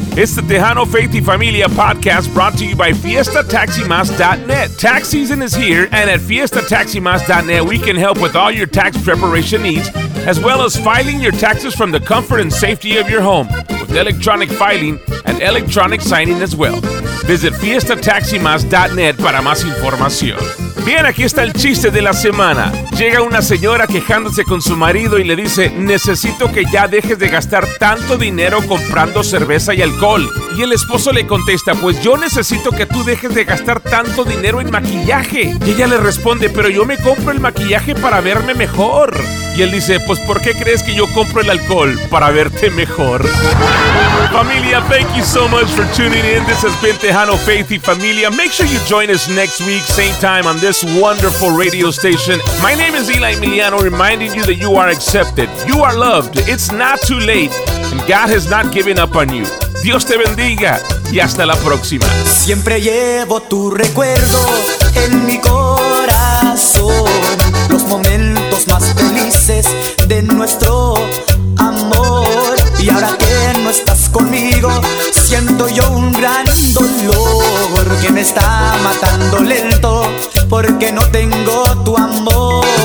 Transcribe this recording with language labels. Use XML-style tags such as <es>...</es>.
<en>It's the Tejano Faith y Familia podcast brought to you by FiestaTaxiMas.net. Tax season is here, and at FiestaTaxiMas.net, we can help with all your tax preparation needs, as well as filing your taxes from the comfort and safety of your home, with electronic filing and electronic signing as well. Visit</en> <es>FiestaTaxiMas.net para más información. Bien, aquí está el chiste de la semana. Llega una señora quejándose con su marido y le dice: necesito que ya dejes de gastar tanto dinero comprando cerveza y alcohol. Y el esposo le contesta: pues yo necesito que tú dejes de gastar tanto dinero en maquillaje. Y ella le responde: pero yo me compro el maquillaje para verme mejor. Y él dice: pues ¿por qué crees que yo compro el alcohol? Para verte mejor.</es> <en>Familia, thank you so much for tuning in. This has been Tejano, Faith y Familia. Make sure you join us next week, same time, on this wonderful radio station. My name is Eli Emiliano, reminding you that you are accepted. You are loved. It's not too late. And God has not given up on you.</en> <es>Dios te bendiga y hasta la próxima. Siempre llevo tu recuerdo en mi corazón, los momentos más felices de nuestro amor. Y ahora que no estás conmigo, siento yo un gran dolor que me está matando lento porque no tengo tu amor.</es>